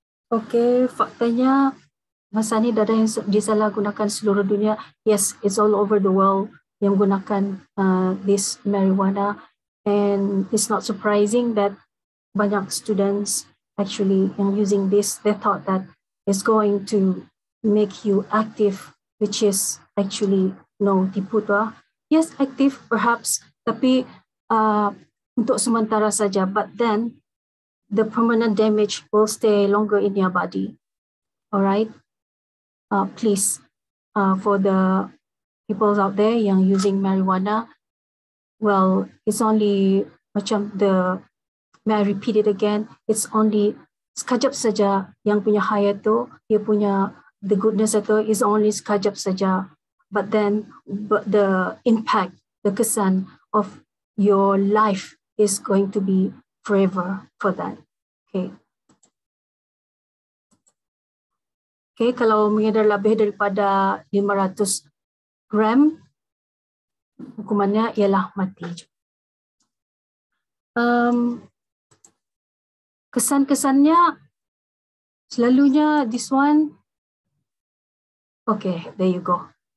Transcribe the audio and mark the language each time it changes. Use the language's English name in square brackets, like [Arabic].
[Malay] Okay, faktanya masa ni dadah yang disalahgunakan seluruh dunia. [English] Yes, it's all over the world [Malay] yang gunakan [English] this marijuana. And it's not surprising that banyak students actually yang using this, they thought that it's going to make you active, which is actually no, [Malay] tipu tu. [English] Yes, active perhaps, [Malay] tapi untuk sementara saja, [English] but then the permanent damage will stay longer in your body. All right? Please, for the people out there yang using marijuana, well, it's only, macam the, may I repeat it again, it's only [Malay] sekejap saja yang punya hayat tu, dia punya [English] the goodness itu is only [Malay] sekejap saja. [English] But then but the impact, the kesan of your life is going to be forever for that. Okay. [Malay] Okay, kalau mengedar lebih daripada 500 gram, hukumannya ialah mati. Kesan-kesannya, selalunya [English] this one, okay, there you go.